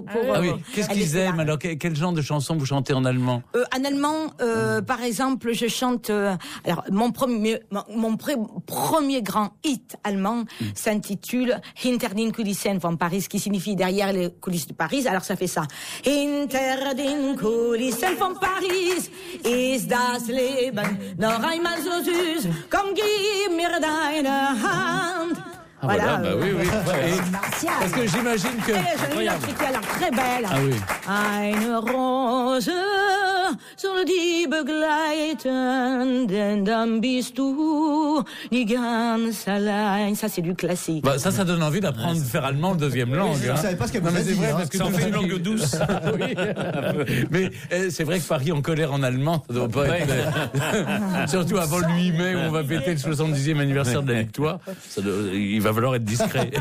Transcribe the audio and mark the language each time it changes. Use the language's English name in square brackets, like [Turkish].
[French] ah oui. Qu'est-ce qu'ils aiment alors, quel genre de chansons vous chantez en allemand? En allemand, par exemple, je chante. Alors, mon premier grand hit allemand s'intitule Hinter den Kulissen von Paris, qui signifie derrière les coulisses de Paris. Alors, ça fait ça. [German] Hinter den Kulissen von Paris ist das Leben noch einmal so süß. Komm, gib mir deine Hand. [French] Ah voilà. Bah oui, oui. Martial. Parce que j'imagine que... Et j'ai une très belle. Ah oui. [German] Eine Rose soll die begleiten, denn dann bist du die ganz allein. [French] Ça, c'est du classique. Bah, ça donne envie d'apprendre faire allemand en deuxième langue. Oui, je ne savais pas ce qu'elle vous a dit. Vrai, parce que c'est en fait une langue douce. Oui, mais c'est vrai que Paris en colère en allemand, ça ne doit pas être... Surtout avant le 8 mai, où on va péter le 70e anniversaire de la victoire. Ça doit... Il va falloir être discret.